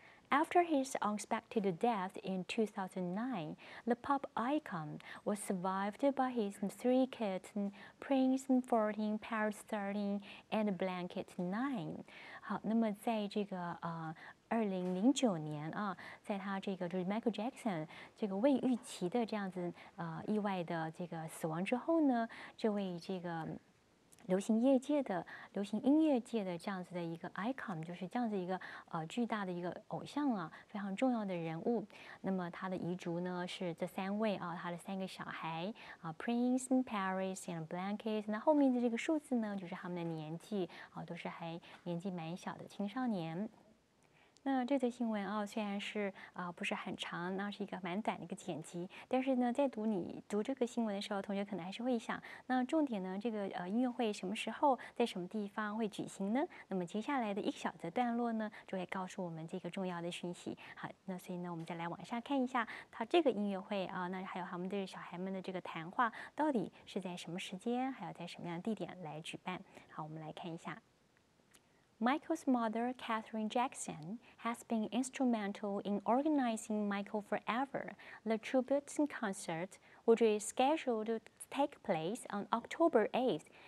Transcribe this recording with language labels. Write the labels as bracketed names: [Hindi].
[English] After his unexpected death in 2009, the pop icon was survived by his three kids, Prince 14, Paris 13, and Blanket 9. [Chinese] 好，那么在这个2009年啊，在他这个就是 Michael Jackson 这个未预期的这样子意外的这个死亡之后呢，这位这个流行业界的流行音乐界的这样子的一个 icon， 就是这样子一个巨大的一个偶像啊，非常重要的人物。那么他的遗嘱呢是这三位啊，他的三个小孩啊 ，Prince and Paris and Blanket， 那后面的这个数字呢，就是他们的年纪啊，都是还年纪蛮小的青少年。那这则新闻啊，虽然是不是很长，那是一个蛮短的一个剪辑，但是呢，在读这个新闻的时候，同学可能还是会想，那重点呢，这个音乐会什么时候在什么地方会举行呢？那么接下来的一小则段落呢，就会告诉我们这个重要的讯息。好，那所以呢，我们再来往下看一下他这个音乐会啊，那还有他们的小孩们的这个谈话，到底是在什么时间，还有在什么样的地点来举办？好，我们来看一下。 [English] Michael's mother, Catherine Jackson, has been instrumental in organizing Michael Forever, the tribute concert, which is scheduled to take place on October 8th